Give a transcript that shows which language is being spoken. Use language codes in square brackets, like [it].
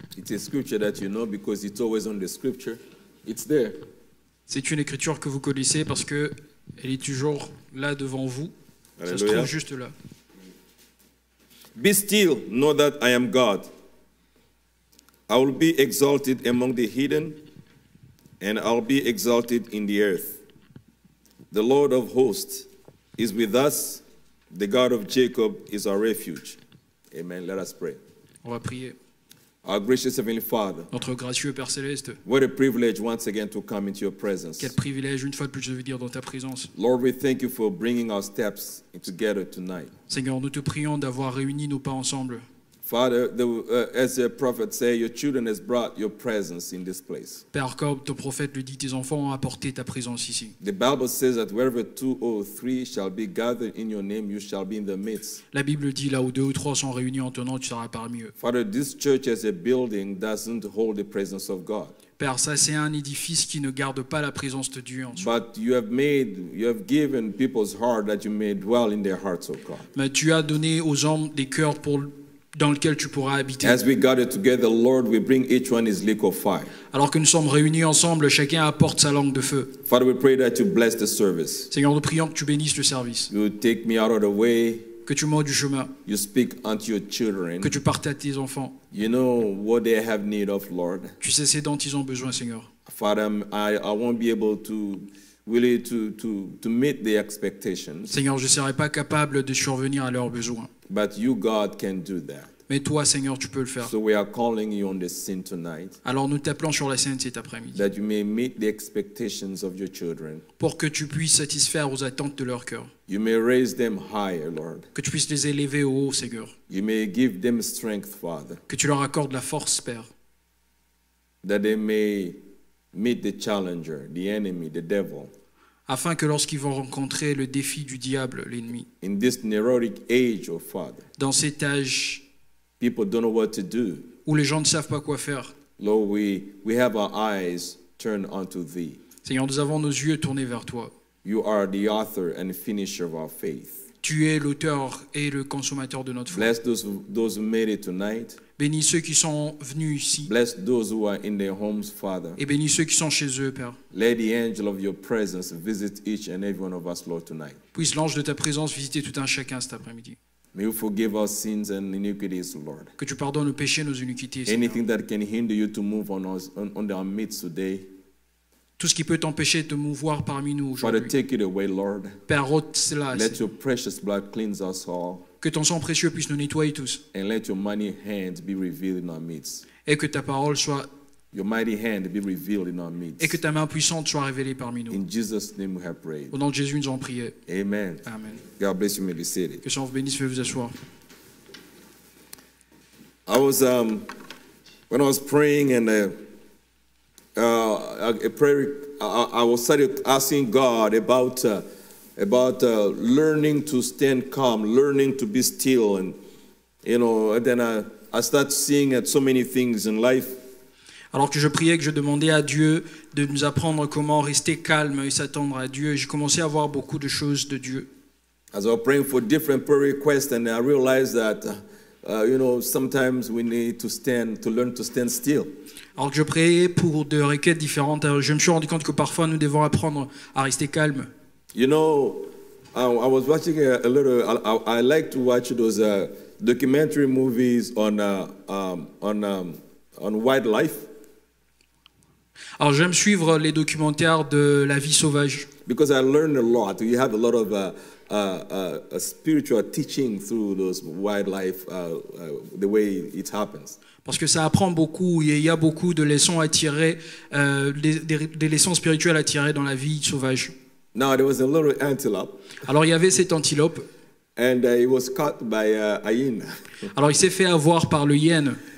[en] It's a scripture that you know because it's always on the scripture. It's there. [fr] C'est une écriture que vous connaissez parce que elle est toujours là devant vous. Alléluia. Ça se trouve juste là. [en] Be still, know that I am God. I will be exalted among the heathen, and I'll be exalted in the earth. The Lord of hosts is with us. The God of Jacob is our refuge. Amen. Let us pray. [fr] On va prier. [en] Our gracious Heavenly Father, [fr] notre gracieux Père Céleste, [en] what a privilege once again to come into your presence. [fr] Quel privilège une fois de plus de venir dans ta présence. [en] Lord, we thank you for bringing our steps together tonight. [fr] Seigneur, nous te prions d'avoir réuni nos pas ensemble. [en] Father, as the prophet say, your children has brought your presence in this place. [fr] Père, comme ton prophète le dit, tes enfants ont apporté ta présence ici. [en] The Bible says that wherever two or three shall be gathered in your name, you shall be in the midst. [fr] La Bible dit là où deux ou trois sont réunis en ton nom, tu seras parmi eux. [en] Father, this church as a building doesn't hold the presence of God. [fr] Père, ça c'est un édifice qui ne garde pas la présence de Dieu en soi. [en] But you have made, you have given people's heart that you may dwell in their hearts, O God. [fr] Mais tu as donné aux hommes des cœurs pour dans lequel tu pourras habiter. [en] As we gather together, Lord, we bring each one his lake of fire. [fr] Alors que nous sommes réunis ensemble, chacun apporte sa langue de feu. [en] Father, we pray that you bless the service. [fr] Seigneur, nous prions que tu bénisses le service. [en] You take me out of the way. [fr] Que tu m'aies du chemin. [en] You speak unto your children. [fr] Que tu partes à tes enfants. [en] You know what they have need of, Lord. [fr] Tu sais ce dont ils ont besoin, Seigneur. [en] Father, I won't be able to really to meet the expectations. [fr] Seigneur, je ne serai pas capable de survenir à leurs besoins. [en] But you, God, can do that. [fr] Mais toi, Seigneur, tu peux le faire. [en] So we are calling you on the scene tonight. [fr] Alors nous t'appelons sur la scène cet après-midi. [en] That you may meet the expectations of your children. [fr] Pour que tu puisses satisfaire aux attentes de leur cœur. [en] You may raise them higher, Lord. [fr] Que tu puisses les élever au haut, Seigneur. [en] You may give them strength, Father. [fr] Que tu leur accordes la force, Père. [en] That they may meet the challenger, the enemy, the devil. [fr] Afin que lorsqu'ils vont rencontrer le défi du diable, l'ennemi, [en] in this neurotic age, oh Father, [fr] dans cet âge [en] people don't know what to do, [fr] où les gens ne savent pas quoi faire, [en] Lord, we have our eyes turned onto thee. [fr] Seigneur, nous avons nos yeux tournés vers toi. [en] You are the author and finisher of our faith. [fr] Tu es l'auteur et le consommateur de notre foi. [en] Bless those who made it tonight. [fr] Bénis ceux qui sont venus ici. [en] Bless those who are in their homes, Father. [fr] Et bénis ceux qui sont chez eux, Père. [en] Let the angel of your presence visit each and every one of us, Lord, tonight. [fr] Puisse l'ange de ta présence visiter tout un chacun cet après-midi. [en] May you forgive our sins and iniquities, Lord. [fr] Que tu pardonnes nos péchés et nos iniquités, Seigneur. [en] Anything that can hinder you to move on us on our midst today. [fr] Tout ce qui peut t'empêcher de te mouvoir parmi nous aujourd'hui. [en] Father, take it away, Lord. [fr] Père, ôte cela. [en] Let your precious blood cleanse us all. [fr] Que ton sang précieux puisse nous nettoyer tous. [en] And let your mighty hand be revealed in our midst. [fr] Et que ta parole soit. [en] Your mighty hand be revealed in our midst. [fr] Et que ta main puissante soit révélée parmi nous. [en] In Jesus' name we have prayed. [fr] Au nom de Jésus, nous en prions. [en] Amen. [fr] Amen. [en] God bless you, may be seated. [fr] Que le Seigneur vous bénisse, veuillez vous asseoir. [en] When I was praying and I started asking God about learning to stand calm, learning to be still, and you know. And then I start seeing at so many things in life. [fr] Alors que je priais, que je demandais à Dieu de nous apprendre comment rester calme et s'attendre à Dieu, j'ai commencé à voir beaucoup de choses de Dieu. [en] As I was praying for different prayer requests, and I realized that sometimes we need to learn to stand still. [fr] Alors que je priais pour des requêtes différentes, je me suis rendu compte que parfois nous devons apprendre à rester calme. [en] You know, I was watching a little. I like to watch those documentary movies on wildlife. [fr] Alors j'aime suivre les documentaires de la vie sauvage. [en] Because I learn a lot. You have a lot of a spiritual teaching through those wildlife, the way it happens. [fr] Parce que ça apprend beaucoup et il y a beaucoup de leçons à tirer, des leçons spirituelles à tirer dans la vie sauvage. [en] Now there was a little antelope. [fr] Alors il y avait cette antilope. [en] And he was caught by a hyena. [fr] Alors il s'est fait avoir par le hyène.